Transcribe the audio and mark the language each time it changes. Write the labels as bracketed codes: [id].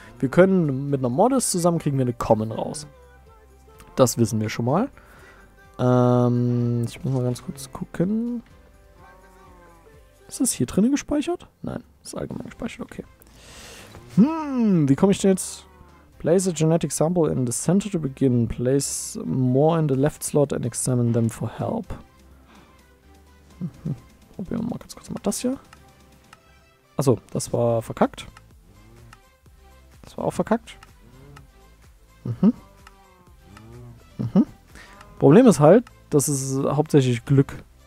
[de] Wir können mit einer Modest zusammen kriegen wir eine Common raus. Das wissen wir schon mal. Ich muss mal ganz kurz gucken. Ist das hier drinnen gespeichert? Nein. Ist allgemein gespeichert. Okay. Wie komme ich denn jetzt? [en] Place a genetic sample in the center to begin. Place more in the left slot and examine them for help. [de] Probieren wir mal ganz kurz mal das hier. Achso, das war verkackt. Das war auch verkackt. Problem ist halt, das ist hauptsächlich Glück.